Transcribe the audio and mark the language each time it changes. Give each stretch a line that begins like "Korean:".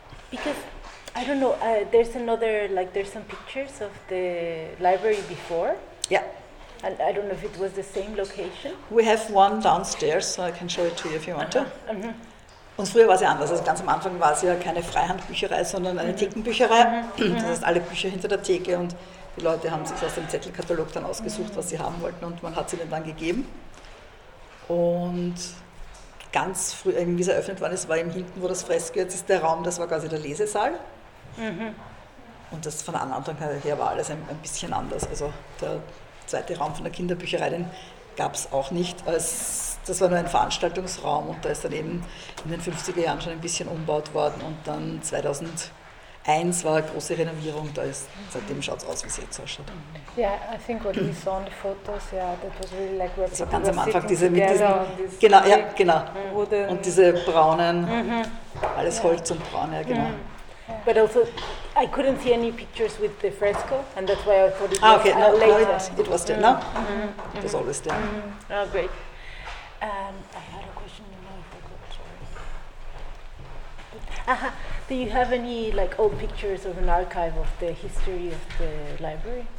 English: Because, I don't know, there's another, like there's some pictures of the library before. Yeah. And I don't know if it was the same location. We have one downstairs, so I can show it to you if you want to.
German: Und früher war es ja anders, also ganz am Anfang war es ja keine Freihandbücherei, sondern eine Thekenbücherei. Das heißt, alle Bücher hinter der Theke und die Leute haben sich aus dem Zettelkatalog dann ausgesucht, was sie haben wollten und man hat sie ihnen dann gegeben. Und ganz früh, wie es eröffnet worden ist, war eben hinten, wo das Fresko jetzt ist, der Raum, das war quasi der Lesesaal. Und das von Anfang her war alles ein bisschen anders. Also der zweite Raum von der Kinderbücherei, den gab es auch nicht. Das war nur ein Veranstaltungsraum und da ist dann eben in den 50er Jahren schon ein bisschen umbaut worden und dann 2001 war eine große Renovierung, da ist seitdem schaut es aus, wie es jetzt ausschaut.
English: Yeah, I think what we saw on the photos, yeah, that was really like where
German: people ganz am Anfang diese mit diesen, genau, ja, genau. Und diese braunen, alles Holz und braun, ja genau.
English: But also, I couldn't see any pictures with the fresco, and that's why I thought it was later. It was there, no? It was always there. Oh, great. I had a question in my head, do you have any like old pictures of an archive of the history of the library?